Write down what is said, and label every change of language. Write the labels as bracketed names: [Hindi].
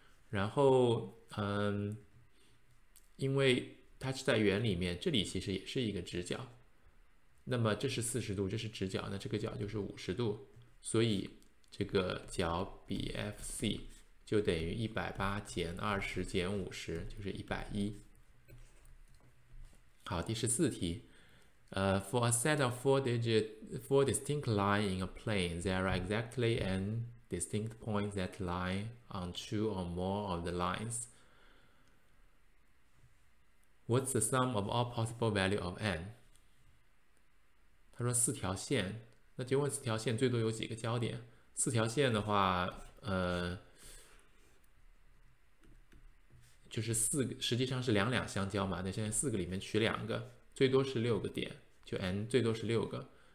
[Chinese] 然后，因为它是在圆里面，这里其实也是一个直角，那么这是40度，这是直角，那这个角就是50度，所以这个角 BFC 就等于180减20减50，就是110。 [English] 好，第14题，for a set of four distinct lines in a plane, there are exactly n distinct points that lie on two or more of the lines. What's the sum of all possible value of n? [Chinese] 他说四条线，那请问四条线最多有几个交点？四条线的话，就是四个，实际上是两两相交嘛。那现在四个里面取两个，最多是六个点，就 n 最多是六个。